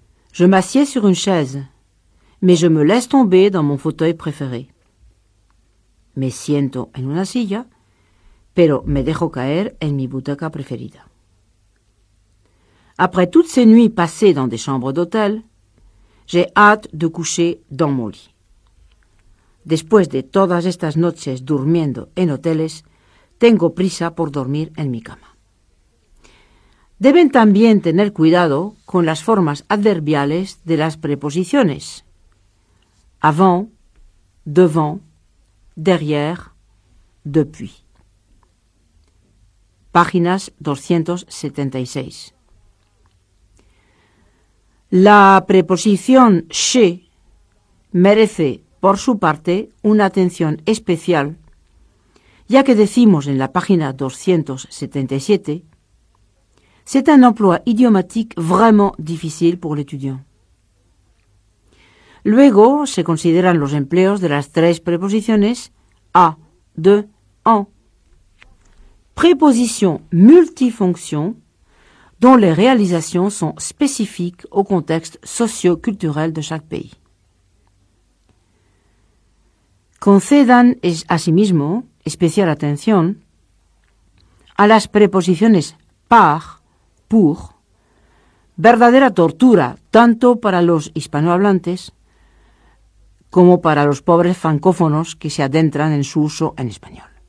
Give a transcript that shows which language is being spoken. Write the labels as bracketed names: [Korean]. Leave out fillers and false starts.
[French] Je m'assieds sur une chaise, mais je me laisse tomber dans mon fauteuil préféré. [Spanish] Me siento en una silla, pero me dejo caer en mi butaca preferida. [French] Après toutes ces nuits passées dans des chambres d'hôtel, j'ai hâte de coucher dans mon lit. [Spanish] Después de todas estas noches durmiendo en hoteles, tengo prisa por dormir en mi cama. Deben también tener cuidado con las formas adverbiales de las preposiciones. [French] Avant, devant, derrière, depuis. [Spanish] Páginas 276. La preposición chez merece, por su parte, una atención especial, ya que decimos en la página 277, [French] c'est un emploi idiomatique vraiment difficile pour l'étudiant. [Spanish] Luego se consideran los empleos de las tres preposiciones à, de, en. [French] Préposition multifonction, dont les réalisations sont spécifiques au contexte socio-culturel de chaque pays. [Spanish] Concedan asimismo especial atención a las preposiciones par, pour, verdadera tortura tanto para los hispanohablantes como para los pobres francófonos que se adentran en su uso en español.